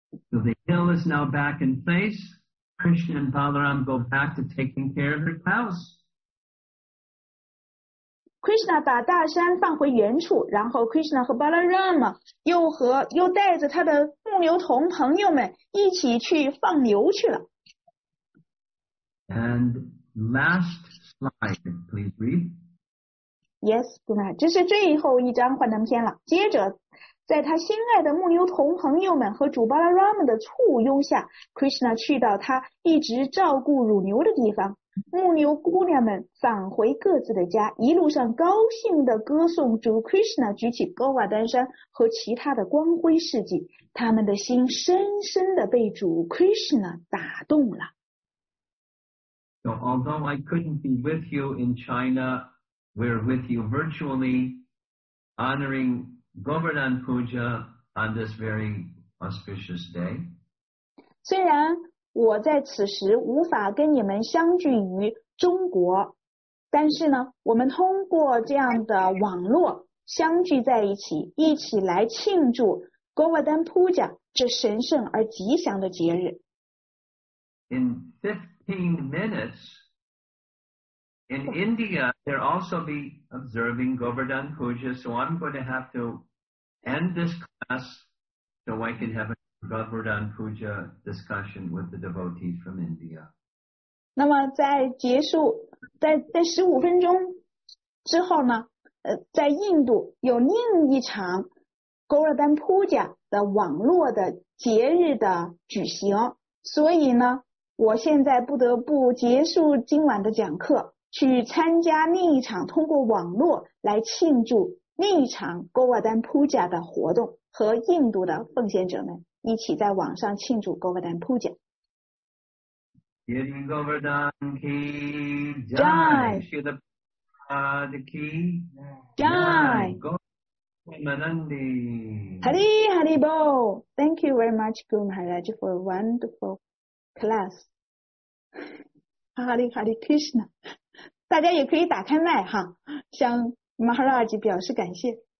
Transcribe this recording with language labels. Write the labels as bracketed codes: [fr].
[en] So the hill is now back in place. Krishna and Balaram go back to taking care of their cows. [zh] Krishna 把大山放回原处，然后 Krishna 和 Balaram 又带着他的牧牛童朋友们一起去放牛去了。 [en] And last slide, please read. Yes, Gunnar. [zh] 这是最后一张幻灯片了。接着在他心爱的牧牛童朋友们和主巴拉拉姆的簇拥下， Krishna 去到他一直照顾乳牛的地方，牧牛姑娘们返回各自的家，一路上高兴地歌颂主 Krishna 举起勾瓦丹山和其他的光辉事迹，他们的心深深地被主 Krishna 打动了。 [en] So although I couldn't be with you in China, we're with you virtually, honoring Govardhan Puja on this very auspicious day. [zh] 虽然我在此时无法跟你们相聚于中国，但是呢，我们通过这样的网络相聚在一起，一起来庆祝 Govardhan Puja 这神圣而吉祥的节日。 [en] In 15 minutes, in India, they'll also be observing Govardhan Puja, so I'm going to have to end this class so I can have a Govardhan Puja discussion with the devotees from India. [zh] 那么在结束 在15分钟之后呢在印度有另一场 Govardhan Puja 的网络的节日的举行，所以呢我现在不得不结束今晚的讲课，去参加另一场通过网络来庆祝另一场 Govardhan Puja 的活动，和印度的奉献者们一起在网上庆祝 Govardhan Puja。 Giving Govardhan Ki Jai Shri Prabhupada Ki Jai Manandi Hari Hari Bo. [en] Thank you very much Guru Maharaj for a wonderful class. [zh] Hari Hari Krishna. 大家也可以打开麦哈，向 Maharaj 表示感谢。